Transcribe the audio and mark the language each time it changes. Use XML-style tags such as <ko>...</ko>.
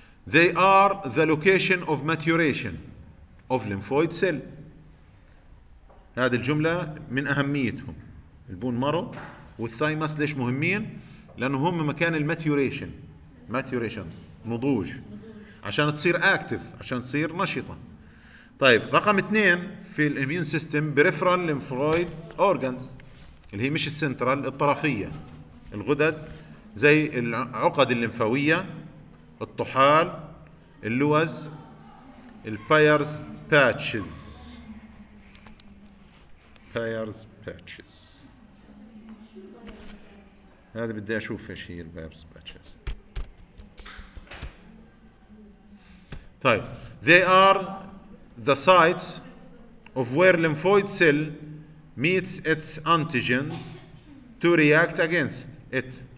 <en>They are the location of maturation of lymphoid cell.</en> <ar>هذه الجملة من أهميتهم. البون مارو والثايمس ليش مهمين؟ لأنه هم مكان الماتيوريشن. ماتيوريشن نضوج، عشان تصير أكتيف، عشان تصير نشطة. طيب رقم اثنين في الإميون سيستم بريفرال لمفرويد أورغانز، اللي هي مش السنترال، الطرفية، الغدد زي العقد اللمفاوية، الطحال، اللوز، البايرز باتشز. بايرز باتشز هذا بدي أشوف إيش هي البايرز باتشز.</ar> <en>طيب they are the sites of where lymphoid cell meets its antigens to react against it.</en>